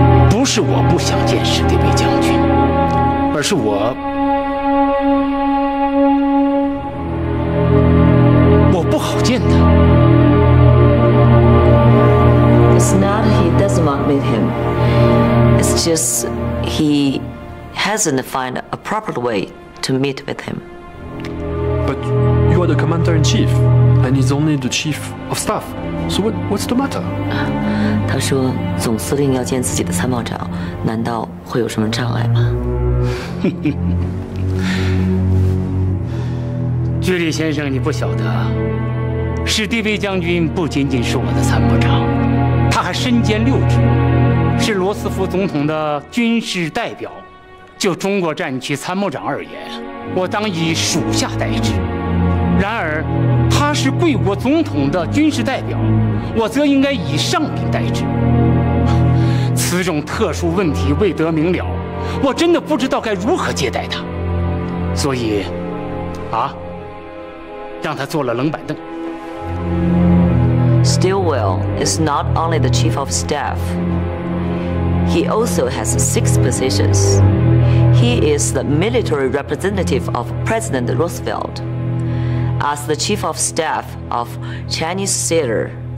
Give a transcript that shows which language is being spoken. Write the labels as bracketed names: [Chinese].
[Chinese] 不是我不想见史迪威将军，而是我不好见他。 [English] It's not he doesn't want to meet him. It's just he hasn't found a proper way to meet with him. But you are the commander in chief, and he's only the chief of staff. So what's the matter? [Chinese] 他说：“总司令要见自己的参谋长，难道会有什么障碍吗？” 居里先生，你不晓得，史迪威将军不仅仅是我的参谋长，他还身兼六职，是罗斯福总统的军事代表。就中国战区参谋长而言，我当以属下代之。然而，他是贵国总统的军事代表，我则应该以上宾代之。此种特殊问题未得明了，我真的不知道该如何接待他，所以让他坐了冷板凳。 [English] Stillwell is not only the chief of staff. He also has six positions. He is the military representative of President Roosevelt. As the chief of staff of Chinese theater.